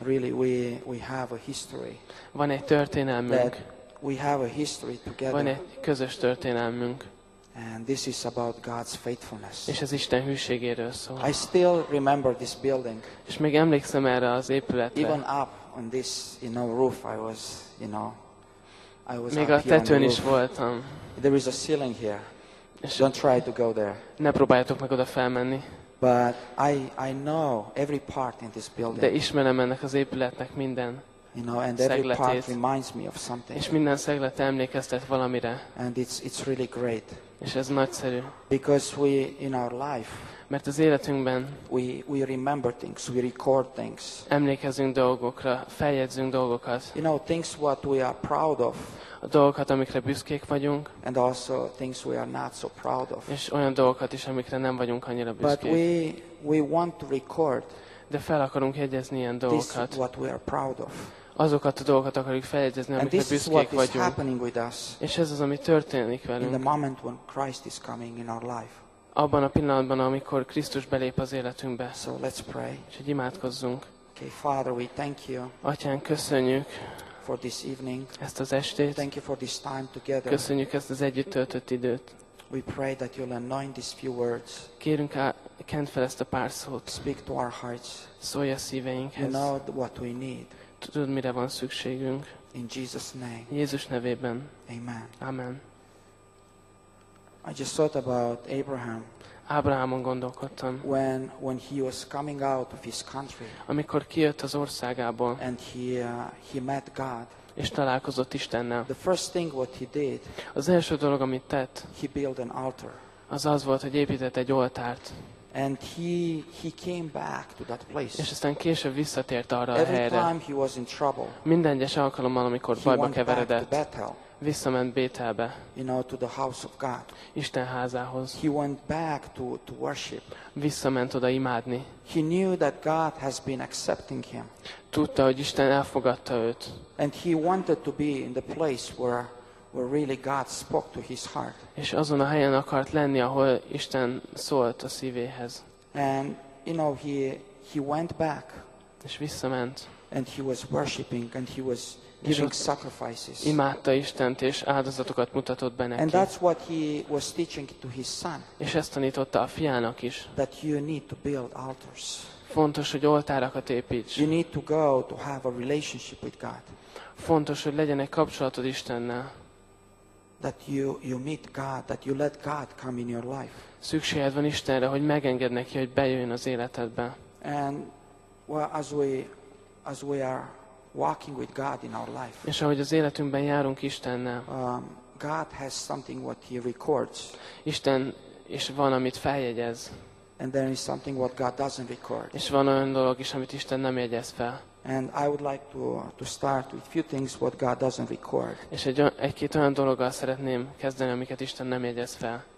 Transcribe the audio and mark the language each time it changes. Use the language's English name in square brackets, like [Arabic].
[English] Really, we have a history. [Hungarian] Van egy történelmünk. [English] We have a history together. [Hungarian] Van egy közös történelmünk. [English] And this is about God's faithfulness. [Hungarian] És ez Isten hűségéről szól. [English] I still remember this building. [Hungarian] És még emlékszem erre az épületre. [English] Even up on this, you know, roof, I was, you know, I was. [Hungarian] Még a tetőn is voltam. [English] There is a ceiling here. Don't try to go there. [Hungarian] Ne próbáljatok meg oda felmenni. [English] But I know every part in this building. [Hungarian] De ismerem ennek az épületnek minden. [English] You know, and every [Hungarian] szegletét. [English] Part reminds me of something. [Hungarian] És minden szeglet emlékeztet valamire. [English] And it's really great. [Hungarian] És ez nagyszerű. [English] Because we in our life. [Hungarian] Mert az életünkben. [English] We remember things, we record things. [Hungarian] Emlékezünk dolgokra, feljegyzünk dolgokat. [English] You know, things what we are proud of. [Hungarian] A dolgokat, amikre büszkék vagyunk. [English] And also things we are not so proud of. [Hungarian] És olyan dolgokat is, amikre nem vagyunk annyira büszkék. [English] But we want to record. [Hungarian] De fel akarunk jegyezni ilyen dolgokat. [English] This is what we are proud of. [Hungarian] Azokat a dolgokat akarjuk feljegyezni, amikre büszkék vagyunk. És ez az, ami történik velünk. [English] In the moment when Christ is coming in our life. [Hungarian] Abban a pillanatban, amikor Krisztus belép az életünkbe. [English] So let's pray. [Hungarian] És hogy imádkozzunk. [English] Okay, Father, we thank you. [Hungarian] Atyán, köszönjük [English] for this evening. [Hungarian] Ezt az estét. [English] Thank you for this time together. [Hungarian] Köszönjük ezt az együtt töltött időt. [English] We pray that you'll anoint these few words. [Hungarian] Kérünk, kent fel ezt a pár szót. [English] Speak to our hearts. [Hungarian] Szólj a szíveinkhez. [English] You know what we need. [Hungarian] Tudod, mire van szükségünk. [English] In Jesus' name. [Hungarian] Jézus nevében. [English] Amen. [Hungarian] Amen. [English] I just thought about Abraham. [Hungarian] Abrahamon gondolkodtam. [English] When he was coming out of his country. [Hungarian] Amikor kijött az országából. [English] And he met God. [Hungarian] És találkozott Istennel. [English] The first thing what he did. [Hungarian] Az első dolog, amit tett. [English] He built an altar. [Hungarian] Az volt, hogy épített egy oltárt. [English] And he came back to that place. [Hungarian] És aztán később visszatért arra a helyre. [English] Every time he was in trouble. [Hungarian] Minden egyes alkalommal, amikor bajba keveredett. Visszament Bételbe. [English] You know, to the house of God. [Hungarian] Isten házához. [English] He went back to worship. [Hungarian] Visszament oda imádni. [English] He knew that God has been accepting him. [Hungarian] Tudta, hogy Isten elfogadta őt. [English] And he wanted to be in the place where really God spoke to his heart. [Hungarian] És azon a helyen akart lenni, ahol Isten szólt a szívéhez. [English] And you know he went back. [Hungarian] És visszament. [English] And he was worshiping and he was giving sacrifices. [Hungarian] Imádta Istent és áldozatokat mutatott be neki. [English] And that's what he was teaching to his son. [Hungarian] És ezt tanította a fiának is. [English] That you need to build altars. [Hungarian] Fontos, hogy oltárakat építs. [English] You need to go to have a relationship with God. [Hungarian] Fontos, hogy legyen egy kapcsolatod Istennel. [English] That you meet God, that you let God come in your life. [Hungarian] Szükséged van Istenre, hogy megenged neki, hogy bejöjjön az életedbe. [English] And well, as we are walking with God in our life. [Hungarian] És ahogy az életünkben járunk Istennel. [English] God has something what he records. [Hungarian] Isten is van, amit feljegyez. [English] And there is something what God doesn't record. [Hungarian] És van olyan dolog is, amit Isten nem jegyez fel. [English] And I would like to start with few things what God doesn't record. [Hungarian] És egy-két olyan dologgal szeretném kezdeni, amiket Isten nem jegyez fel.